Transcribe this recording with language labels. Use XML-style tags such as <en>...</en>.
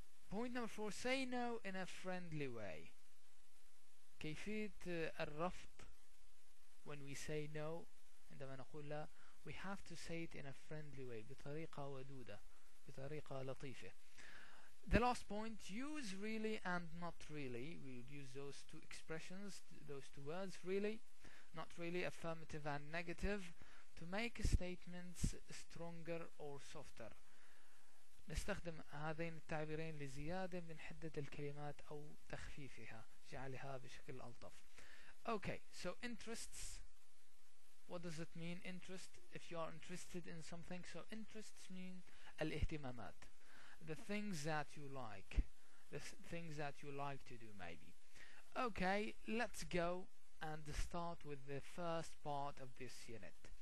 <en>Point number four, say no in a friendly way.</en> <ar>كيفية الرفض</ar> <en>when we say no,</en> <ar>عندما نقول لا,</ar> <en>we have to say it in a friendly way,</en> <ar>بطريقة ودودة, بطريقة لطيفة.</ar> <en>The last point, use really and not really. We would use those two expressions, those two words, really, not really, affirmative and negative, to make statements stronger or softer.</en> <ar>نستخدم هذين التعبيرين لزيادة من حدة الكلمات أو تخفيفها جعلها بشكل ألطف.</ar> <en>Okay, so interests. What does it mean, interest? If you are interested in something, so interests mean الاهتمامات. The things that you like. The things that you like to do, maybe. Okay, let's go and start with the first part of this unit.</en>